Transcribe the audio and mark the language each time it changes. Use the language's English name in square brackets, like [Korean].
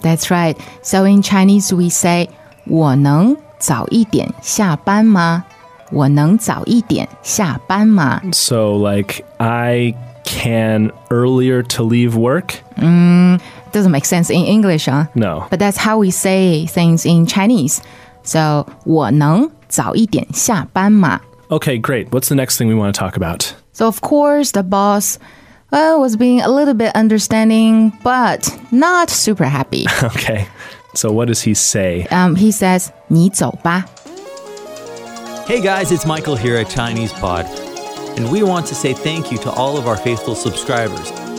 [English] That's right. So in Chinese, we say [Chinese] 我能早一点下班吗? 我能早一点下班吗? [English] So, like, I can earlier to leave work? Doesn't make sense in English, huh? No. But that's how we say things in Chinese. So, [Chinese] 我能早一点下班吗? [English] Okay, great. What's the next thing we want to talk about? So, of course, the boss... was being a little bit understanding, but not super happy. Okay. So what does he say? He says, [Chinese] 你走吧。 [English] Hey guys, it's Michael here at Chinese Pod. And we want to say thank you to all of our faithful subscribers.